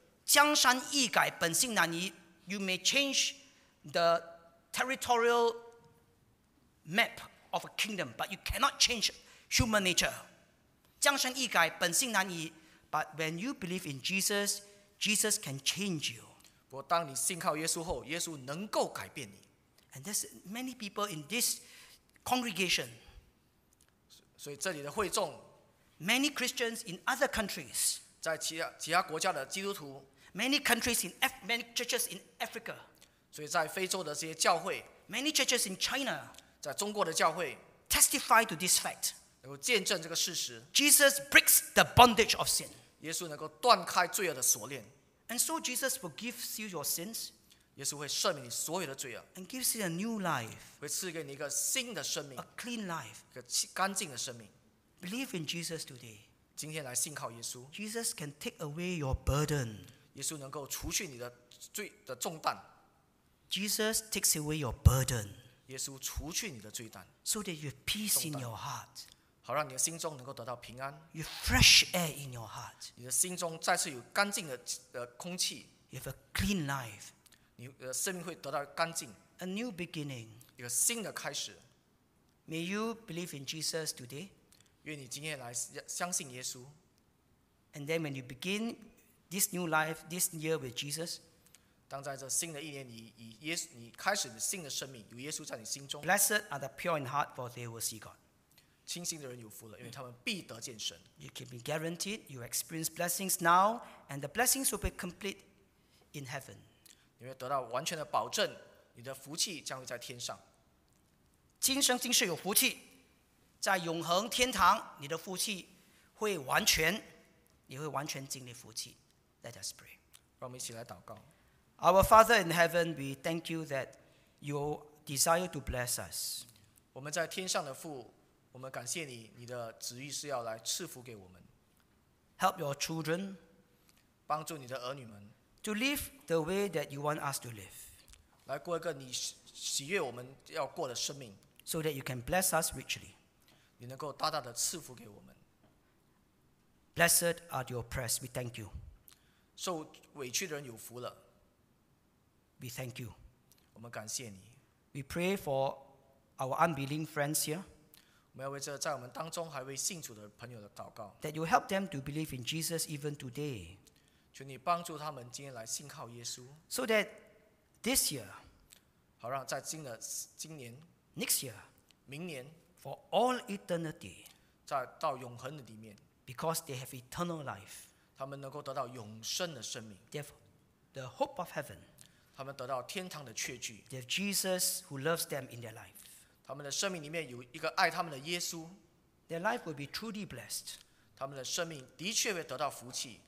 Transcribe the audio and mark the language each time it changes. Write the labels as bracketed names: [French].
[Chinese] 好让我们能够再重新过一个新的生命。江山易改，本性难移。 [English] You may change the territorial map of a kingdom, but you cannot change human nature. [Chinese] 江山易改，本性难移。 [English] But when you believe in Jesus, Jesus can change you. [Chinese] 不过当你信靠耶稣后，耶稣能够改变你。 [English] And there's many people in this congregation. [Chinese] 所以这里的会众。 [English] Many Christians in other countries, [Chinese] 在其他国家的基督徒, [English] many countries in many churches in Africa, [Chinese] 所以在非洲的这些教会, [English] many churches in China, [Chinese] 在中国的教会, [English] testify to this fact, [Chinese] 能够见证这个事实, [English] Jesus breaks the bondage of sin. [Chinese] 耶稣能够断开罪恶的锁链, [English] and so Jesus forgives you your sins, [Chinese] 耶稣会赦免你所有的罪恶, [English] and gives you a new life, [Chinese] 会赐给你一个新的生命, [English] a clean life, [Chinese] 一个干净的生命。 [English] Believe in Jesus today. [Chinese] 今天来信靠耶稣。 [English] Jesus can take away your burden. [Chinese] 耶稣能够除去你的罪的重担。 [English] Jesus takes away your burden. [Chinese] 耶稣除去你的罪担。 [English] So that you have peace in your heart. [Chinese] 好让你的心中能够得到平安。 [English] You have fresh air in your heart. [Chinese] 你的心中再次有干净的空气。 [English] You have a clean life. [Chinese] 你的生命会得到干净。 [English] A new beginning. [Chinese] 一个新的开始。 [English] May you believe in Jesus today. [Chinese] 愿你今天来相信耶稣。 [English] And then when you begin this new life, this year with Jesus, [Chinese] 当在这新的一年你以耶稣, 你开始你新的生命, 有耶稣在你心中, [English] Blessed are the pure in heart, for they will see God. [Chinese] 清心的人有福了, 因为他们必得见神。 [English] You can be guaranteed you experience blessings now, and the blessings will be complete in heaven. [Chinese] 你会得到完全的保证, 你的福气将会在天上。今生今世有福气, 在永恒天堂, 你的福气会完全, 你会完全经历福气。 [English] Let us pray. [Chinese] 让我们一起来祷告。 [English] Our Father in heaven, we thank you that you desire to bless us. [Chinese] 我们在天上的父, 我们感谢你, 你的旨意是要来赐福给我们。 [English] Help your children, [Chinese] 帮助你的儿女们, [English] to live the way that you want us to live. [Chinese] 来过一个你喜悦我们要过的生命, [English] so that you can bless us richly. [Chinese] 你能够大大的赐福给我们。 [English] Blessed are the oppressed, we thank you. [Chinese] 受委屈的人有福了。 [English] We thank you. [Chinese] 我们感谢你。 [English] We pray for our unbelieving friends here. [Chinese] 我们要为这在我们当中还未信主的朋友的祷告。 [English] That you help them to believe in Jesus even today. [Chinese] 求你帮助他们今天来信靠耶稣。 [English] So that this year, [Chinese] 好让在今年, [English] next year, [Chinese] 明年, [English] for all eternity, [Chinese] 在到永恒的里面, [English] because they have eternal life, [Chinese] 他们能够得到永生的生命, [English] they have the hope of heaven, [Chinese] 他们得到天堂的确据, [English] they have Jesus who loves them in their life, [Chinese] 他们的生命里面有一个爱他们的耶稣, [English] their life will be truly blessed, [Chinese] 他们的生命的确会得到福气。